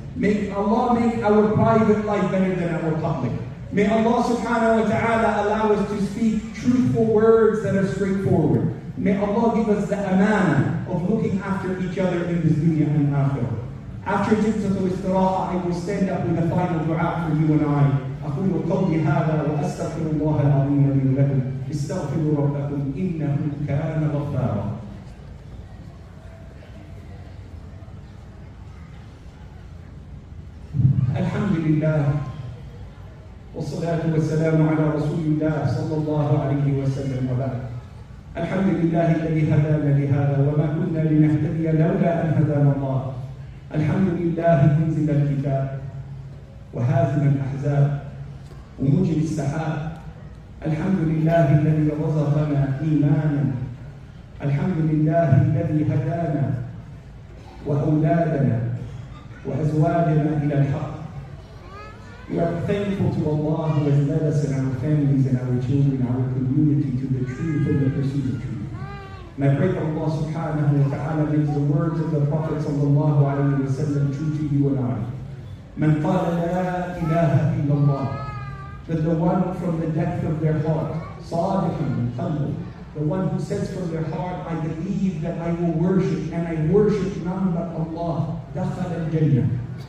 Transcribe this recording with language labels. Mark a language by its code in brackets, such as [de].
[en] May Allah make our private life better than our public. May Allah subhanahu wa ta'ala allow us to speak truthful words that are straightforward. May Allah give us the amana of looking after each other in this dunya and akhirah. After jinsatul istiraha, I will stand up with a final dua for you and I. [ar] أقول قولي هذا وأستغفر الله العظيم لي ولكم استغفروا ربكم إنه كان غفارا. الحمد لله والصلاة والسلام على رسول الله صلى الله عليه وسلم وبعد. الحمد لله الذي هدانا لهذا وما كنا لنهتدي لولا أن هدانا الله. الحمد لله منزل الكتاب وهازم الأحزاب ومجري السحاب. الحمد لله الذي رزقنا إيمانا. الحمد لله الذي هدانا وأولادنا وأزواجنا إلى الحق. [en] We are thankful to Allah who has led us and our families and our children, our community to the truth and the pursuit of truth. And I pray that Allah subhanahu wa ta'ala makes the words of the Prophet sallallahu alayhi wa sallam true to you and I. [ar] Man qala la ilaha illallah, [en] that the one from the depth of their heart, [ar] sadiqan qalbi, [en] the one who says from their heart, I believe that I will worship and I worship none but Allah, [ar] dakhala al-jannah.